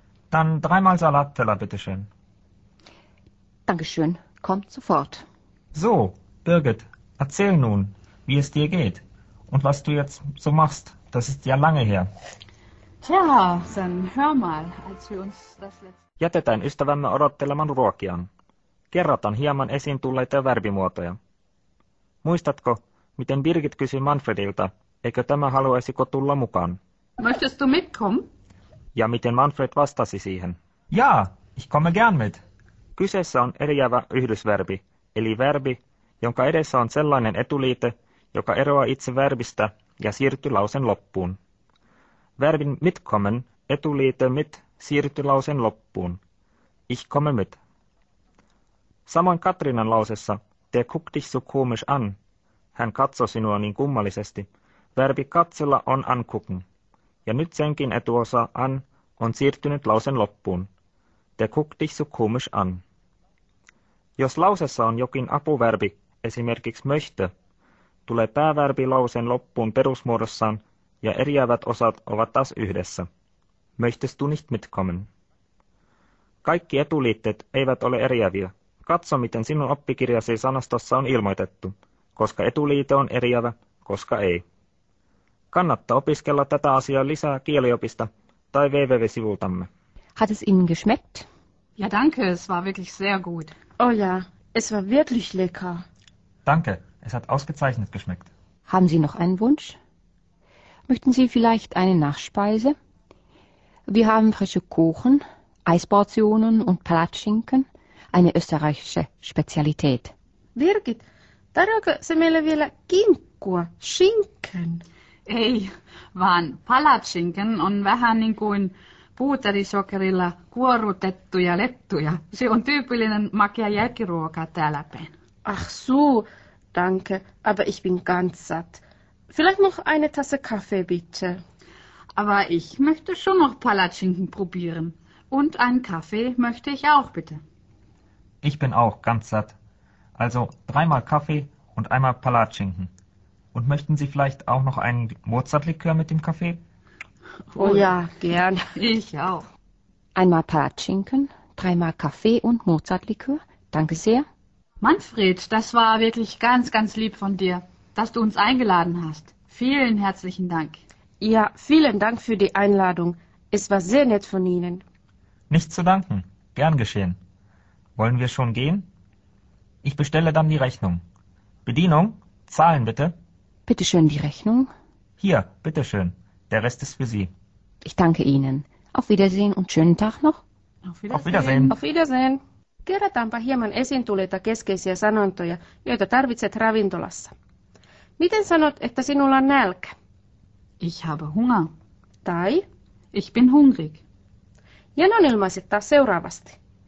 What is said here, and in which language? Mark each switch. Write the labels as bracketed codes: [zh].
[de] Dann dreimal Salatteller, bitteschön. Dankeschön, kommt sofort. So, Birgit, erzähl nun, wie es dir geht und was du jetzt so machst. Das ist ja lange her. Tja, dann hör mal, als wir uns das letzte... [fi] Jätetään ystävämme odottelemaan ruokiaan. Kerrotan hieman esiin tulleita verbimuotoja. Muistatko, miten Birgit kysyi Manfredilta, eikö tämä haluaisiko tulla mukaan? [de] Möchtest du mitkommen? [fi] Ja miten Manfred vastasi siihen? [de] Ja, ich komme gern mit. [fi] Kyseessä on eriävä yhdysverbi, eli verbi, jonka edessä on sellainen etuliite, joka eroaa itse verbistä ja siirtyy lauseen loppuun. Verbin mitkommen etuliite mit siirtyy lauseen loppuun. [de] Ich komme mit. [fi] Samoin Katrinan lausessa, [de] der guck dich so komisch an. [fi] Hän katsoo sinua niin kummallisesti. Verbi katsella on angucken. Ja nyt senkin etuosa an on siirtynyt lauseen loppuun. [de] Der guck dich so komisch an. [fi] Jos lausessa on jokin apuverbi, esimerkiksi möchte, tulee pääverbi lauseen loppuun perusmuodossaan ja eriävät osat ovat taas yhdessä. [de] Möchtest du nicht mitkommen? [fi] Kaikki etuliitteet eivät ole eriäviä. Katso, miten sinun oppikirjasi sanastossa on ilmoitettu, koska etuliite on eriävä, koska ei. Kannattaa opiskella tätä asiaa lisää kieliopista tai www-sivultamme. [de] Hat es Ihnen geschmeckt? Ja, danke, es war wirklich sehr gut. Oh ja, es war wirklich lecker. Danke, es hat ausgezeichnet geschmeckt. Haben Sie noch einen Wunsch? Möchten Sie vielleicht eine Nachspeise? Wir haben frische Kuchen, Eisportionen und Palatschinken, eine österreichische Spezialität. [fi] Birgit, tarjoako se meille vielä kinkkua, Schinken? Ei, vaan palatschinken on vähän niin kuin puuterisokerilla kuorrutettuja lettuja. Se on tyypillinen makea jälkiruoka täällä päin. [de] Ach so, danke, aber ich bin ganz satt. Vielleicht noch eine Tasse Kaffee, bitte. Aber ich möchte schon noch Palatschinken probieren. Und einen Kaffee möchte ich auch, bitte. Ich bin auch ganz satt. Also dreimal Kaffee und einmal Palatschinken. Und möchten Sie vielleicht auch noch einen Mozartlikör mit dem Kaffee? Oh ja, gern. Ich auch. Einmal Palatschinken, dreimal Kaffee und Mozartlikör. Danke sehr. Manfred, das war wirklich ganz, ganz lieb von dir, dass du uns eingeladen hast. Vielen herzlichen Dank. Ja, vielen Dank für die Einladung. Es war sehr nett von Ihnen. Nicht zu danken. Gern geschehen. Wollen wir schon gehen? Ich bestelle dann die Rechnung. Bedienung, zahlen bitte. Bitte schön, die Rechnung. Hier, bitte schön. Der Rest ist für Sie. Ich danke Ihnen. Auf Wiedersehen und schönen Tag noch. Auf Wiedersehen. Auf Wiedersehen. [fi] Kerrataanpa hieman esiin tulleita keskeisiä sanontoja, joita tarvitset ravintolassa. Miten sanot, että sinulla on nälkä? [de] Ich habe Hunger. [fi] Tai? [de] Ich bin hungrig. [fi] Janon ilmaiset taas seuraavasti.